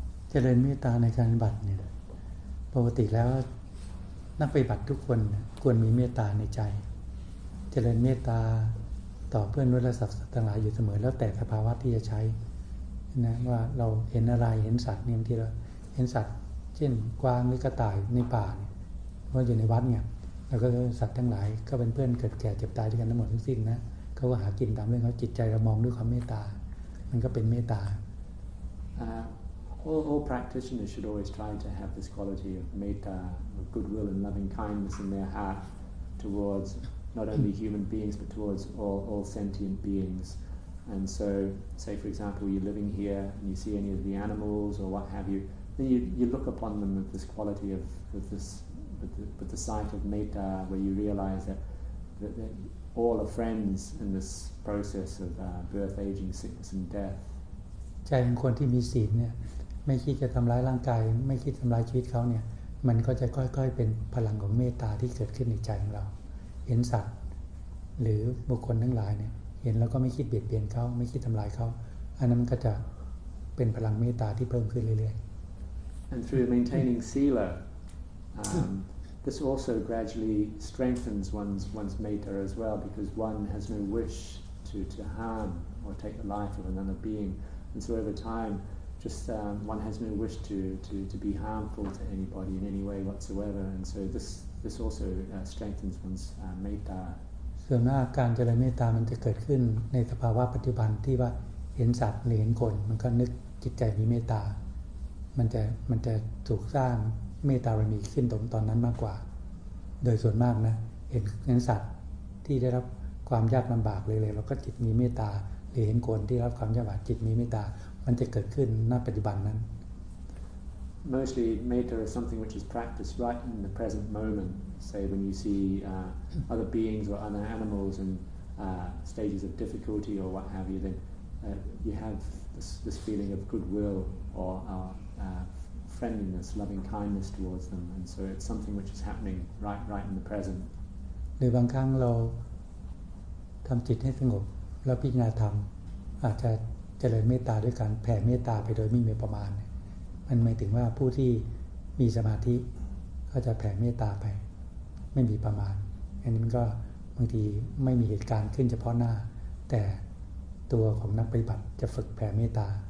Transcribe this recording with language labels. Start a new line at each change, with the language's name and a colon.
Thai: เจริญเมตตาในการปฏิบัติเนี่ยปกติแล้วนักปฏิบัติทุกคนควรมีเมตตาในใจเจริญเมตตาต่อเพื่อนมนุษย์และสัตว์ทั้งหลายอยู่เสมอแล้วแต่สภาวะที่จะใช้นะว่าเราเห็นอะไรเห็นสัตว์เนี่ยบางทีเราเห็นสัตว์เช่นกวางหรือกระต่ายในป่าเนี่ยว่าอยู่ในวัดเนี่ยแล้วก็สัตว์ทั้งหลายก็เป็นเพื่อนเกิดแก่เจ็บตายด้วยกันทั้งหมดทั้งสิ้นนะเขาก็หากินตามเรื่องเขาจิตใจเรามองด้วยความเมตตามันก็เป็นเมตตา
English: All practitioners should always try to have this quality of metta, of goodwill and loving kindness in their heart towards not only human beings but towards all sentient beings. And so, say for example, you're living here and you see any of the animals or what have you, then you look upon them with this quality of with the sight of metta, where you realize that all are friends in this process of birth, aging, sickness, and death.
Thai: ใจของคนที่มีศีลเนี่ยไม่คิดจะทำร้ายร่างกายไม่คิดทำร้ายชีวิตเขาเนี่ยมันก็จะค่อยๆเป็นพลังของเมตตาที่เกิดขึ้นในใจของเราเห็นสัตว์หรือบุคคลทั้งหลายเนี่ยเห็นแล้วก็ไม่คิดเบียดเบียนเขาไม่คิดทำร้ายเขาอันนั้นก็จะเป็นพลังเมตตาที่เพิ่มขึ้นเรื่อย
English: ๆ And through maintaining sila this also gradually strengthens one's metta as well because one has no wish to harm or take the life of another being and so over timeJust one has no wish to be harmful to anybody in any way whatsoever, and so this also strengthens one's metta.
Thai: ส่วนมากการเจริญเมตตามันจะเกิดขึ้นในสภาวะปัจจุบันที่ว่าเห็นสัตว์หรือเห็นคนมันก็นึกจิตใจมีเมตตามันจะถูกสร้างเมตตาบารมีขึ้นตอนนั้นมากกว่าโดยส่วนมากนะเห็นสัตว์ที่ได้รับความยากลำบากเลยแล้วก็จิตมีเมตตาหรือเห็นคนที่รับความยากลำบากจิตมีเมตตามันจะเกิดขึ้นณปัจจุบันนั้น
English: Mostly metta is something which is practiced right in the present moment say when you see other beings or other animals in stages of difficulty or what have you then you have this feeling of goodwill or friendliness loving kindness towards them and so it's something which is happening right in the present
Thai: หรือบางครั้งเราทำจิตให้สงบแล้วพิจารณาธรรมอาจจะเจริญเมตตาด้วยการแผ่เมตตาไปโดยไม่มีประมาณมันหมายถึงว่าผู้ที่มีสมาธิก็จะแผ่เมตตาไปไม่มีประมาณอันนี้มันก็บางทีไม่มีเหตุการณ์ขึ้นเฉพาะหน้าแต่ตัวของนักปฏิบัติจะฝึกแผ่เมตตา